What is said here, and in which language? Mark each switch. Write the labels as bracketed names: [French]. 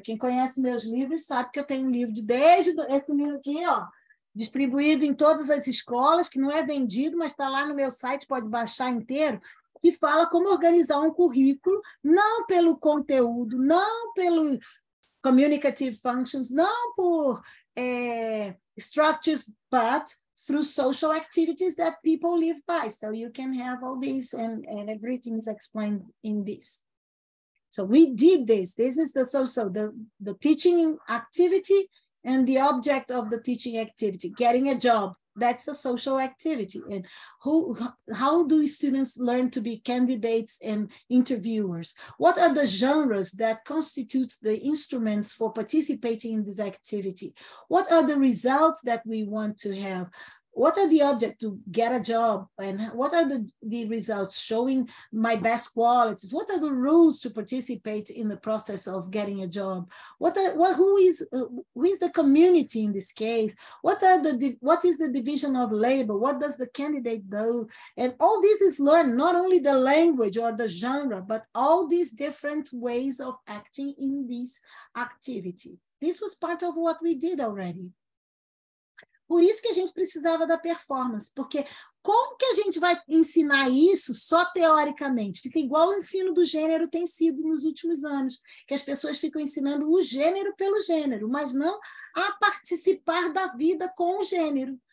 [Portuguese] Quem conhece meus livros sabe que eu tenho um livro esse livro aqui, ó, distribuído em todas as escolas, que não é vendido, mas está lá no meu site, pode baixar inteiro, que fala como organizar um currículo, não pelo conteúdo, não pelo communicative functions, não por structures, [English] but through social activities that people live by. So you can have all this and everything is explained in this. So we did this. This is the social, the teaching activity and the object of the teaching activity, getting a job. That's a social activity. And how do students learn to be candidates and interviewers? What are the genres that constitute the instruments for participating in this activity? What are the results that we want to have? What are the objects to get a job? And what are the results showing my best qualities? What are the rules to participate in the process of getting a job? Who is the community in this case? What is the division of labor? What does the candidate do? And all this is learned, not only the language or the genre, but all these different ways of acting in this activity. This was part of what we did already. [Portuguese] Por isso que a gente precisava da performance, porque como que a gente vai ensinar isso só teoricamente? Fica igual o ensino do gênero tem sido nos últimos anos, que as pessoas ficam ensinando o gênero pelo gênero, mas não a participar da vida com o gênero.